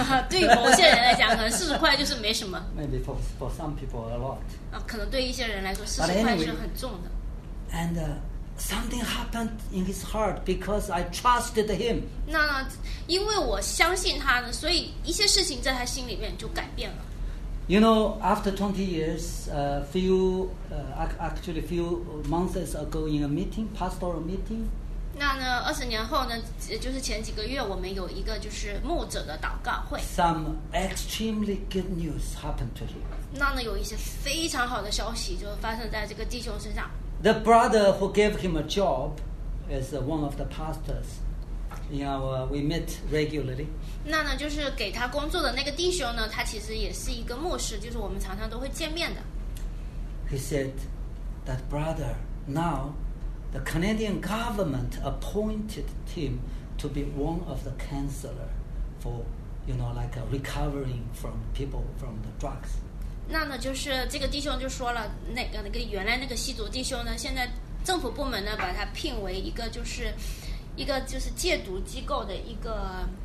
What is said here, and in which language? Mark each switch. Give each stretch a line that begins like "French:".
Chinese: 对于某些人来讲，可能40块就是没什么。
English: Maybe for some people, a lot.
Chinese: 可能对一些人来说，40块是很重的。
English: And something happened in his heart because I trusted him.
Chinese: 那因为我相信他呢，所以一些事情在他心里面就改变了。
English: You know, after 20 years, few months ago in a meeting, pastoral meeting.
Chinese: 那呢，二十年后呢，就是前几个月，我们有一个就是牧者的祷告会。
English: Some extremely good news happened to him.
Chinese: 那呢，有一些非常好的消息就发生在这个弟兄身上。
English: The brother who gave him a job is one of the pastors. In our, we meet regularly.
Chinese: 那呢，就是给他工作的那个弟兄呢，他其实也是一个牧师，就是我们常常都会见面的。
English: He said that brother now the Canadian government appointed him to be one of the counselor for you know like recovering from people from the drugs.
Chinese: 那呢，就是这个弟兄就说了，那个原来那个吸毒弟兄呢，现在政府部门呢把他聘为一个就是戒毒机构的一个。